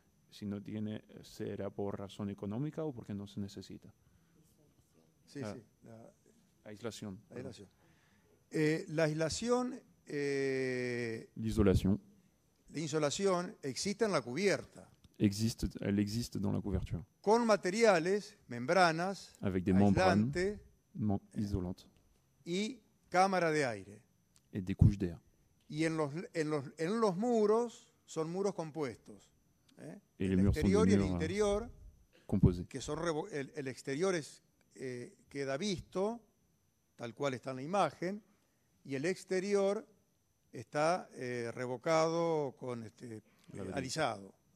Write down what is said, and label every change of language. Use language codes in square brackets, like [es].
[es] Si no tiene, ¿será por razón económica o porque no se necesita? Sí, sí. La aislación. La aislación. La aislación... La isolación. La insolación existe en la cubierta. [fr] Existe, elle existe dans la couverture. [es] Con materiales, membranas, [fr] avec des membranes isolantes. [es] Y cámara de aire. [fr] Et des couches d'air. [es] Y en los muros, son muros compuestos. [fr] Et les murs [es] exterior [fr] sont [es] y el interior, [fr] composés. [es] Que son el exterior es, queda visto, tal cual está en la imagen, y el exterior está revocado, con alisado.